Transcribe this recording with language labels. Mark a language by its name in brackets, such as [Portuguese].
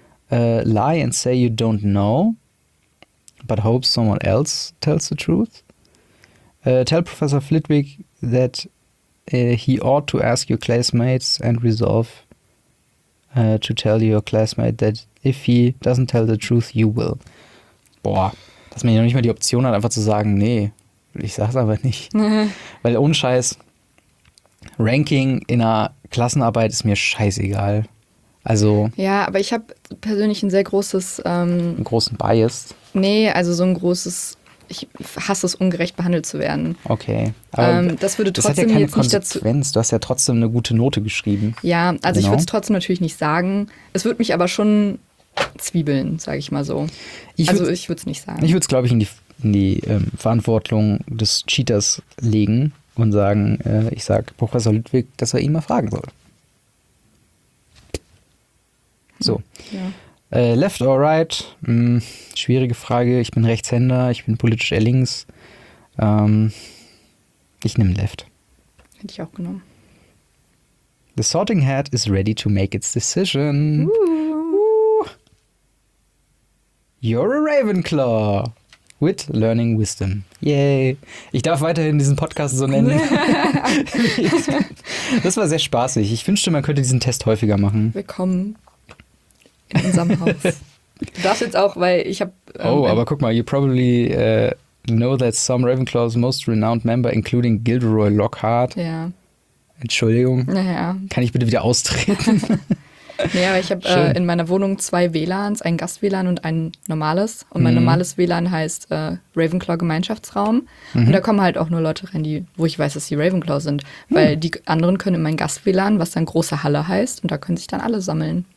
[English] Lie and say you don't know, but hope someone else tells the truth. Tell Professor Flitwick that he ought to ask your classmates and resolve to tell your classmate that if he doesn't tell the truth, you will. [German] Boah. Dass man ja noch nicht mal die Option hat, einfach zu sagen, nee, ich sag's aber nicht. Weil ohne Scheiß, Ranking in einer Klassenarbeit ist mir scheißegal. Also. Ja, aber ich habe persönlich ein sehr großes... einen großen Bias? Nee, also so ein großes... Ich hasse es, ungerecht behandelt zu werden. Okay. Das würde trotzdem jetzt nicht dazu... Das hat ja keine Konsequenz. Du hast ja trotzdem eine gute Note geschrieben. Ja, also ich würde es trotzdem natürlich nicht sagen. Es würde mich aber schon... Zwiebeln, sage ich mal so. Ich würde es nicht sagen. Ich würde es, glaube ich, in die Verantwortung des Cheaters legen und sagen, ich sage Professor Ludwig, dass er ihn mal fragen soll. So. Ja. [English] Left or right? [German] Schwierige Frage. Ich bin Rechtshänder, ich bin politisch eher links. Ich nehme left. Hätte ich auch genommen. [English] The Sorting Hat is ready to make its decision. You're a Ravenclaw with learning wisdom. Yay. [German] Ich darf weiterhin diesen Podcast so nennen. Das war sehr spaßig. Ich wünschte, man könnte diesen Test häufiger machen. Willkommen in unserem Haus. Das jetzt auch, weil ich habe... Aber guck mal, [English] you probably know that some Ravenclaw's most renowned member, including Gilderoy Lockhart. [German] Ja. Entschuldigung. Naja. Kann ich bitte wieder austreten? Nee, aber ich habe in meiner Wohnung zwei WLANs, ein Gast-WLAN und ein normales. Und mein normales WLAN heißt Ravenclaw-Gemeinschaftsraum. Mhm. Und da kommen halt auch nur Leute rein, wo ich weiß, dass sie Ravenclaw sind. Mhm. Weil die anderen können in mein Gast-WLAN, was dann große Halle heißt. Und da können sich dann alle sammeln.